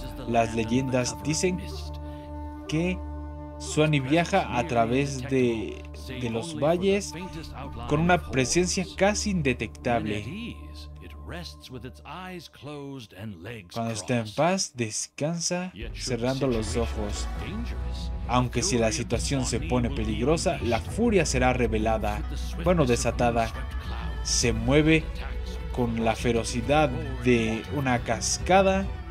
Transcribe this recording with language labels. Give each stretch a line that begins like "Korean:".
Spanish: Las leyendas dicen que Suani viaja a través de los valles con una presencia casi indetectable.
English: rests with its eyes closed and legs crossed.
Spanish: Cuando está en paz, descansa cerrando los ojos. Aunque si la situación se pone peligrosa, la furia será revelada, bueno, desatada. Se mueve con la ferocidad de una cascada.